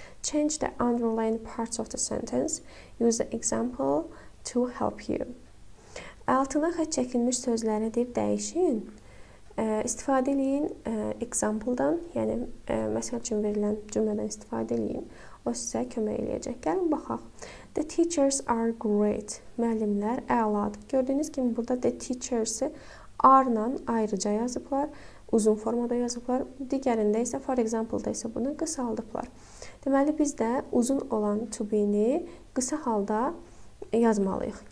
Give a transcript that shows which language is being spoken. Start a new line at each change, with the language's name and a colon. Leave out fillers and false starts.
English: Change the underlying parts of the sentence. Use the example to help you.
Azerbaijani: Altına xətt çəkilmiş sözləri deyib dəyişin. İstifadə edin example-dan, yəni məsəl üçün verilən cümlədən istifadə edin. O sizə kömək eləyəcək. Gəlin, baxaq.
English: The teachers are great.
Azerbaijani: Müəllimlər əladır. Gördüyünüz kimi, burada the teachers-ı are-la ayrıca yazıblar. Uzun formada yazıblar. Digərində isə, for example-da isə bunu qısaldıblar. Deməli, biz də uzun olan to be-ni qısa halda yazmalıyıq.